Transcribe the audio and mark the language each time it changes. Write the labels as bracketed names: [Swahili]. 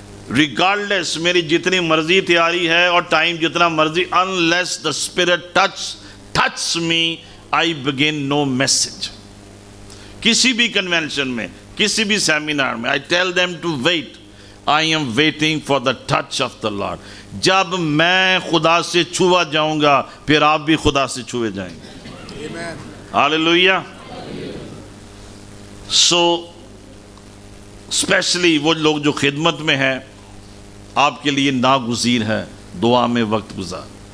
[English] regardless [Urdu] میری جتنی مرضی تیاری ہے اور ٹائم جتنا مرضی, [English] Unless the spirit touch me I begin no message. [Urdu] کسی بھی کنونشن میں, کسی بھی سیمینار میں, [English] I tell them to wait. I am waiting for the touch of the lord. [Urdu] جب میں خدا سے چھوا جاؤں گا پھر آپ بھی خدا سے چھوئے جائیں گے. Amen. Hallelujah. [English] So, especially [Urdu] وہ لوگ جو خدمت میں ہیں, آپ کے لیے ناگزیر ہے دعا میں وقت گزار.